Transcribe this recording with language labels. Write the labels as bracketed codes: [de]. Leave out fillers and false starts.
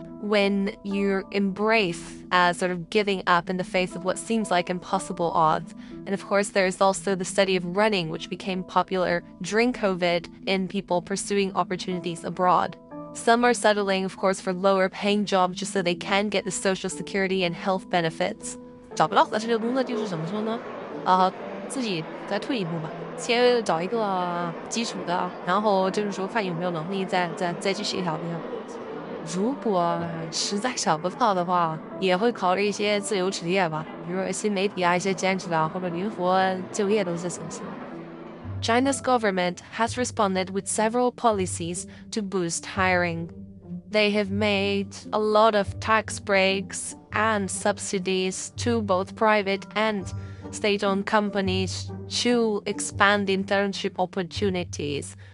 [en] When you embrace sort of giving up in the face of what seems like impossible odds. And of course, there is also the study of running, which became popular during COVID in people pursuing opportunities abroad. Some are settling, of course, for lower paying jobs just so they can get the social security and health benefits. [zh] 找不到了，这个工作就是怎么说呢？自己再退一步吧，先找一个基础的，然后就是说看有没有能力再继续一条路。如果实在找不到的话，也会考虑一些自由职业吧，比如新媒体啊，一些兼职啊，或者灵活就业都是行。 [en] China's government has responded with several policies to boost hiring. They have made a lot of tax breaks and subsidies to both private and state-owned companies to expand internship opportunities.